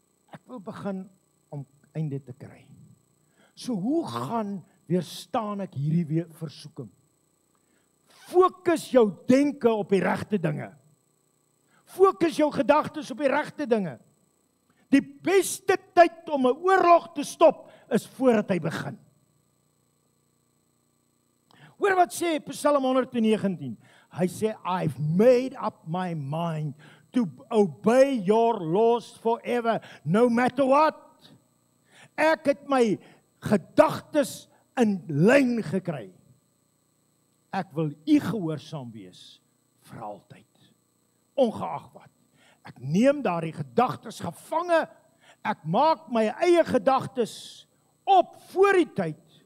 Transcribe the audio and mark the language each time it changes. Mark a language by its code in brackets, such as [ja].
[af] Ek wil begin om einde te kry. So hoe gaan weerstaan ek hierdie versoeking? Fokus jou denke op die regte dinge. Fokus jou gedagtes op die regte dinge. Die beste tyd om 'n oorlog te stop, is voordat hy begin. Hoor wat sê Psalm 119. Hy sê, [en] I've made up my mind to obey your laws forever, no matter what. [af] Ek het my gedagtes in lyn gekry. Ek wil u gehoorsaam wees vir altyd, ongeag wat. Ek neem daardie gedagtes gevange, ek maak my eie gedagtes op voor die tyd.